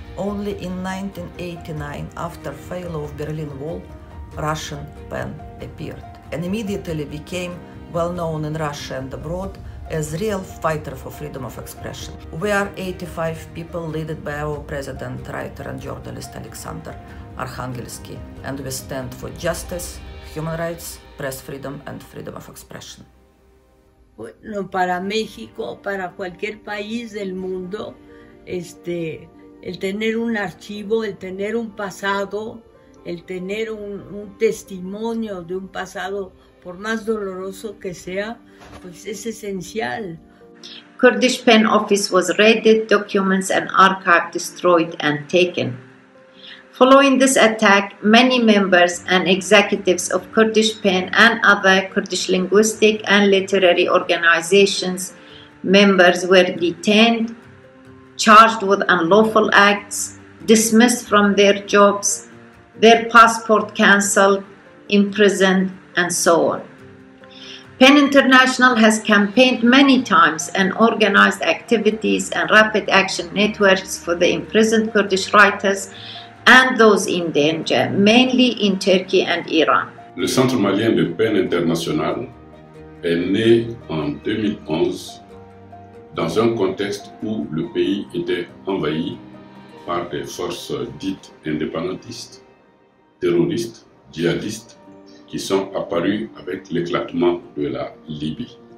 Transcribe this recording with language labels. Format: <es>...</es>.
<en>Only in 1989, after fall of Berlin Wall, Russian Penn appeared and immediately became well known in Russia and abroad as real fighter for freedom of expression. We are 85 people led by our president, writer and journalist Alexander Arkhangelsky, and we stand for justice, human rights, press freedom, and freedom of expression.</en> <es>Bueno, para México, para cualquier país del mundo, el tener un archivo, el tener un pasado, el tener un testimonio de un pasado, por más doloroso que sea, pues es esencial.</es> <en>Kurdish Pen Office was raided, documents and archive destroyed and taken. Following this attack, many members and executives of Kurdish Pen and other Kurdish linguistic and literary organizations members were detained, charged with unlawful acts, dismissed from their jobs, their passport cancelled, imprisoned, and so on. Pen International has campaigned many times and organized activities and rapid action networks for the imprisoned Kurdish writers and those in danger, mainly in Turkey and Iran.</en> <fr>Le Centre Malien de Pen International est né en 2011 dans un contexte où le pays était envahi par des forces dites indépendantistes, terroristes, djihadistes, qui sont apparues avec l'éclatement de la Libye.</fr>